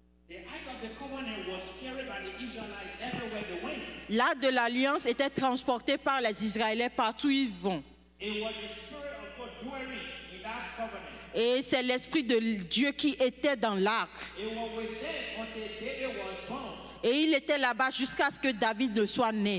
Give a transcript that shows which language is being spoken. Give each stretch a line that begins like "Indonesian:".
English: The Ark of the Covenant was carried by the Israelites everywhere they went.
French: L'Arche de l'Alliance était transportée par les Israélites partout où ils vont.
English: It was the Spirit of God dwelling in that covenant.
French: Et c'est l'Esprit de Dieu qui était dans l'Arche.
English: It was with them on the day it was born.
French: Et il était là-bas jusqu'à ce que David ne soit né.